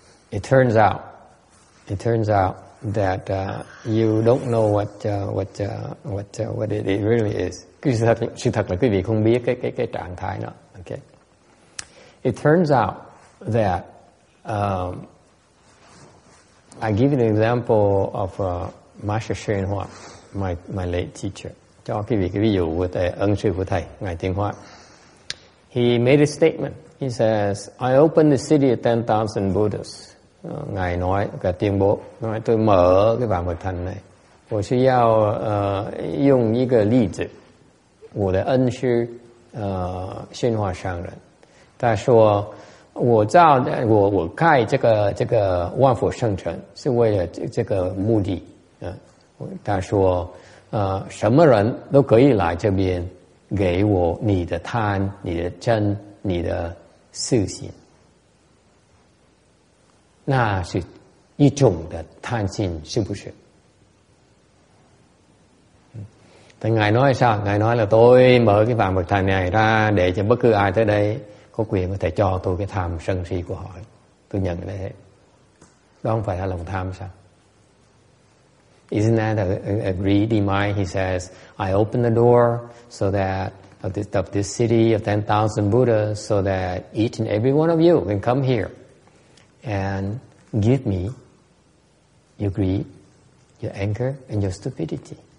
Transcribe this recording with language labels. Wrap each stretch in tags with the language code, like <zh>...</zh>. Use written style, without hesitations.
<en>It turns out that you don't know what it really is.</en> <vi>Sự thật là quý vị không biết cái trạng thái đó. Okay.</vi> <en>It turns out that I give you an example of Master Shen Hua, my late teacher.</en> <vi>Cho quý vị cái ví dụ của thầy, ân sư của thầy, Ngài Tiên Hoa.</vi> <en>He made a statement. He says, I open the city of 10,000 Buddhas.</en> <vi>Ngài nói, cả tuyên bố, nói tôi mở cái vạn vật thành này. Tôi sẽ giao dùng một cái lý do.</vi> <zh>我的恩师, Shen Hua Shang Ren. 他说, 我造, 我, 我盖 这个, 这个 万佛圣城, 是为了这个目的, 他说, 什么人都可以来这边, 给我你的贪, 你的真, 你的私心。那是一种的贪心, 是不是?</zh> <vi>Thì Ngài nói sao? Ngài nói là tôi mở cái vạn vật thành này ra để cho bất cứ ai tới đây có quyền có thể cho tôi cái tham sân si của họ. Tôi nhận cái đấy. Đó không phải là lòng tham sao?</vi> <en>Isn't that a greedy mind? He says, I open the door so that of this city of 10,000 Buddhas so that each and every one of you can come here and give me your greed, your anger, and your stupidity.</en>